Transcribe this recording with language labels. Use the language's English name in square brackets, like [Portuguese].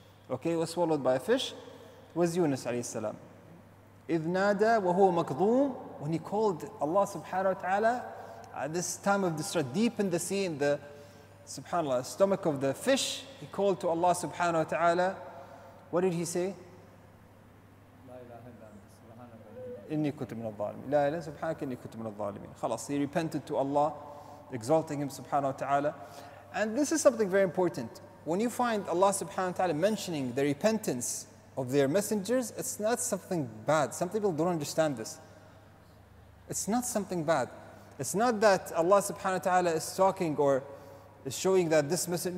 [English] Okay, was swallowed by a fish. It was Yunus alayhi salam. [Arabic] إِذْ نَادَى وَهُوَ مَكْظُومٌ. [English] When he called Allah subhanahu wa ta'ala at this time of distress, deep in the sea, in the subhanAllah, stomach of the fish, he called to Allah subhanahu wa ta'ala. What did he say? [Arabic] إِنِّي كُنْتُ مِنَ الظَّالِمِينَ لَا إِلَهَ سُبْحَانَكَ إِنِّي كُنْتُ مِنَ الظَّالِمِينَ خلاص, [English] he repented to Allah, exalting him subhanahu wa ta'ala. And this is something very important. When you find Allah subhanahu wa ta'ala mentioning the repentance of their messengers, it's not something bad. Some people don't understand this. It's not something bad. It's not that Allah subhanahu wa ta'ala is talking or is showing that this messenger...